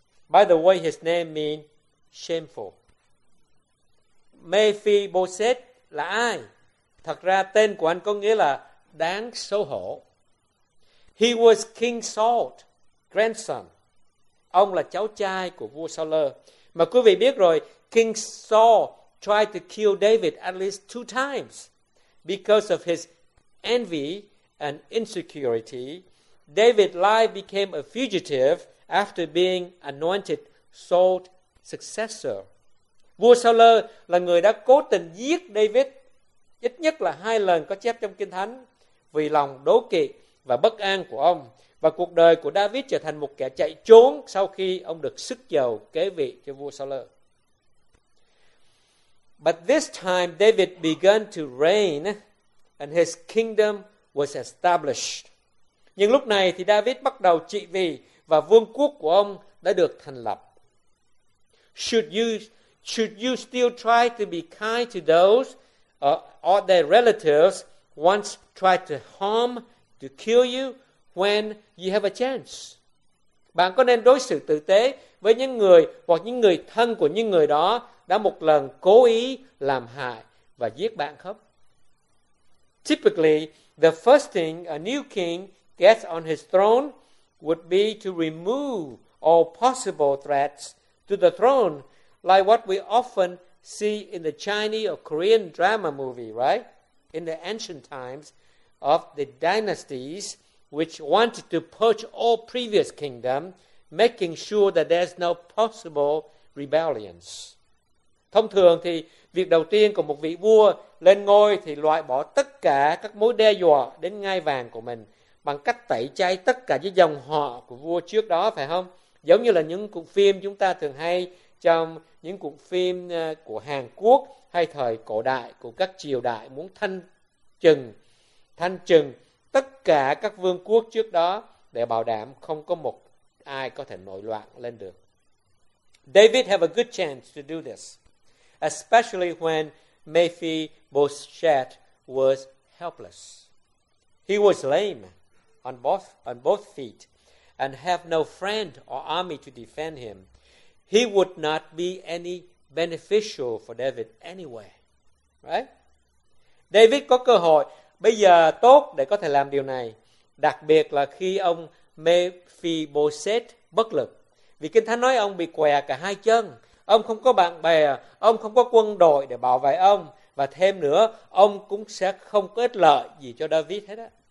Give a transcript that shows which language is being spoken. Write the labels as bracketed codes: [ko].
[en] By the way, his name means shameful. [vi] Mephibosheth là ai? Thật ra tên của anh có nghĩa là đáng xấu hổ. [en] He was King Saul's grandson. [vi] Ông là cháu trai của vua Saul. Mà quý vị biết rồi, [en] King Saul tried to kill David at least 2 times because of his envy and insecurity. David's life became a fugitive after being anointed Saul's successor. [vi] Vua Saul là người đã cố tình giết David ít nhất là 2 lần có chép trong Kinh Thánh vì lòng đố kỵ và bất an của ông. Và cuộc đời của David trở thành một kẻ chạy trốn sau khi ông được sức dầu kế vị cho vua Saul. [en] But this time David began to reign and his kingdom was established. [vi] Nhưng lúc này thì David bắt đầu trị vì và vương quốc của ông đã được thành lập. [en] Should you still try to be kind to those or their relatives once tried to harm to kill you when you have a chance? [vi] Bạn có nên đối xử tử tế với những người hoặc những người thân của những người đó đã một lần cố ý làm hại và giết bạn không? [en] Typically, the first thing a new king gets on his throne would be to remove all possible threats to the throne, like what we often see in the Chinese or Korean drama movie, right? In the ancient times of the dynasties, which wanted to purge all previous kingdom, making sure that there's no possible rebellions. [vi] Thông thường thì việc đầu tiên của một vị vua lên ngôi thì loại bỏ tất cả các mối đe dọa đến ngai vàng của mình bằng cách tẩy chay tất cả những dòng họ của vua trước đó, phải không? Giống như là những cuộc phim chúng ta thường hay trong những cuộc phim của Hàn Quốc hay thời cổ đại của các triều đại muốn thanh trừng tất cả các vương quốc trước đó để bảo đảm không có một ai có thể nổi loạn lên được. [en] David have a good chance to do this, especially when Mephibosheth was helpless. He was lame on both feet and have no friend or army to defend him. He would not be any beneficial for David anyway. Right? [vi] David có cơ hội bây giờ tốt để có thể làm điều này, đặc biệt là khi ông Mephibosheth bất lực. Vì Kinh Thánh nói ông bị què cả 2 chân. Ông không có bạn bè, ông không có quân đội để bảo vệ ông. Và thêm nữa, ông cũng sẽ không có ích lợi gì cho David hết á.